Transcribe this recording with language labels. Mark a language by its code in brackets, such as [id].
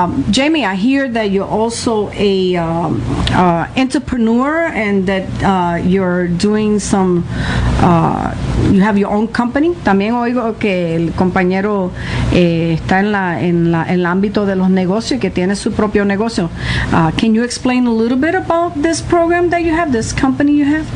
[en] Jamie, I hear that you're also a entrepreneur and that you're doing some, you have your own company. [es] También oigo que el compañero está en el ámbito de los negocios, que tiene su propio negocio. [en] Can you explain a little bit about this program that you have, this company you have?